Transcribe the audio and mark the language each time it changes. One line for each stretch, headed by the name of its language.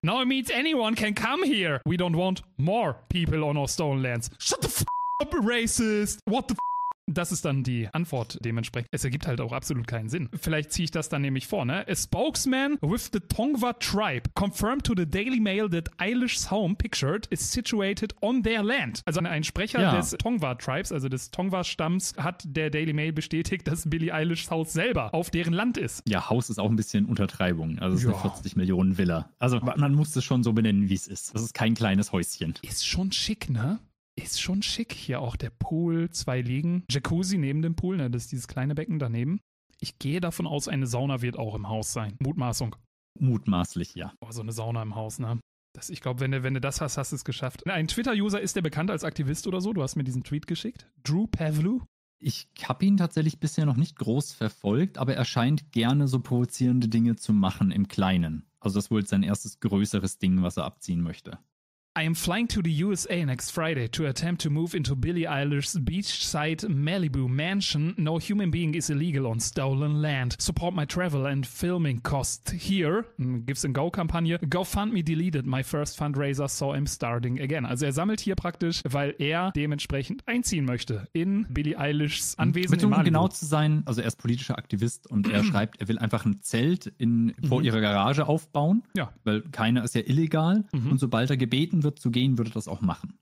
English: No, it means anyone can come here. We don't want more people on our stolen land. Shut the f*** up, racist! What the f***?
German: Das ist dann die Antwort dementsprechend. Es ergibt halt auch absolut keinen Sinn. Vielleicht ziehe ich das dann nämlich vor, ne?
English: A spokesman with the Tongva tribe confirmed to the Daily Mail that Eilish's home pictured is situated on their land.
German: Also ein Sprecher des Tongva Tribes, also des Tongva Stamms, hat der Daily Mail bestätigt, dass Billie Eilish's Haus selber auf deren Land ist. Ja, Haus ist auch ein bisschen Untertreibung. Also es ist eine 40 Millionen Villa. Also man muss es schon so benennen, wie es ist. Das ist kein kleines Häuschen. Ist schon schick, ne? Ist schon schick hier auch der Pool, zwei Liegen, Jacuzzi neben dem Pool, ne, das ist dieses kleine Becken daneben. Ich gehe davon aus, eine Sauna wird auch im Haus sein. Mutmaßung. Mutmaßlich, ja. Boah, so eine Sauna im Haus, ne? Das, ich glaube, wenn du das hast, hast du es geschafft. Ein Twitter-User, ist der bekannt als Aktivist oder so? Du hast mir diesen Tweet geschickt. Drew Pavlou. Ich habe ihn tatsächlich bisher noch nicht groß verfolgt, aber er scheint gerne so provozierende Dinge zu machen im Kleinen. Also das ist wohl sein erstes größeres Ding, was er abziehen möchte.
English: I am flying to the USA next Friday to attempt to move into Billie Eilish's beachside Malibu mansion. No human being is illegal on stolen land. Support my travel and filming cost here. Gives and Go Kampagne. GoFundMe deleted my first fundraiser, so I'm starting again.
German: Also er sammelt hier praktisch, weil er dementsprechend einziehen möchte in Billie Eilish's Anwesen in Malibu. Um genau zu sein, also er ist politischer Aktivist und er schreibt, er will einfach ein Zelt vor ihrer Garage aufbauen, ja, weil keiner ist ja illegal und sobald er gebeten wird zu gehen, würde das auch machen.